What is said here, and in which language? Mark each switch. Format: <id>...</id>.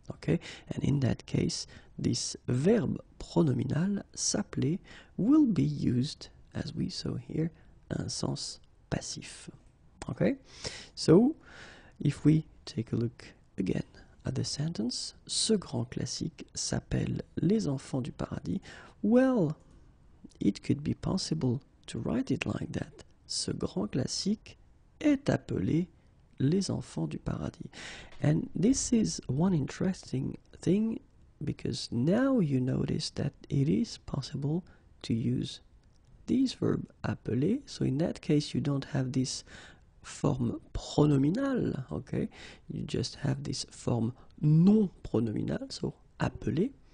<en>Okay, and in that case, this verb pronominal, s'appeler, will be used, as we saw here,</en> <fr>un sens passif.</fr> <en>Okay, so if we take a look again at the sentence,</en> <fr>ce grand classique s'appelle Les Enfants du Paradis.</fr> <en>Well, it could be possible to write it like that.</en> <fr>Ce grand classique est appelé Les Enfants du Paradis.</fr> <en>And this is one interesting thing, because now you notice that it is possible to use this verb appeler. So in that case, you don't have this form pronominal, okay? You just have this form non pronominal, so appeler.</en>